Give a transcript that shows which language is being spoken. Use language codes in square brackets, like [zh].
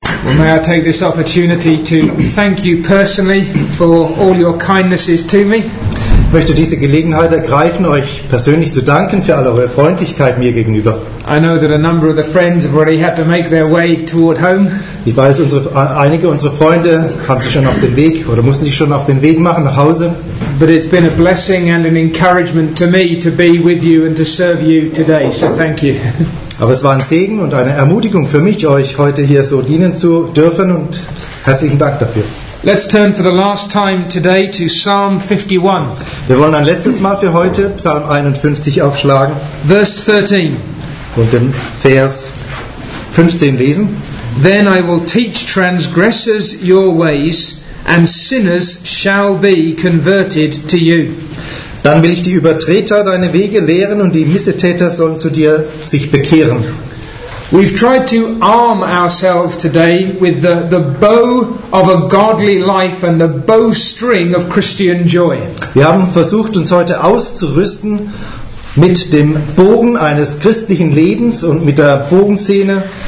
[en] Well, may I take this opportunity to thank you personally for all your kindnesses to me. [de] Ich möchte diese Gelegenheit ergreifen, euch persönlich zu danken für alle eure Freundlichkeit mir gegenüber. [en] I know that a number of the friends have already had to make their way toward home. [de] Ich weiß, einige unserer Freunde haben sich schon auf den Weg oder mussten sich schon auf den Weg machen nach Hause. [en] But it's been a blessing and an encouragement to me to be with you and to serve you today. So thank you. [de] Aber es war ein Segen und eine Ermutigung für mich, euch heute hier so dienen zu dürfen, und herzlichen Dank dafür. [en] Let's turn for the last time today to Psalm 51. [de] Wir wollen ein letztes Mal für heute Psalm 51 aufschlagen. [en] Verse 13. [de] Und den Vers 15 lesen. [en] Then I will teach transgressors your ways, and sinners shall be converted to you. [de] Dann will ich die Übertreter deine Wege lehren, und die Missetäter sollen zu dir sich bekehren. [en] We've tried to arm ourselves today with the bow of a godly life and the bowstring of Christian joy. [de] Wir haben versucht, uns heute auszurüsten mit dem Bogen eines christlichen Lebens und mit der Bogensehne.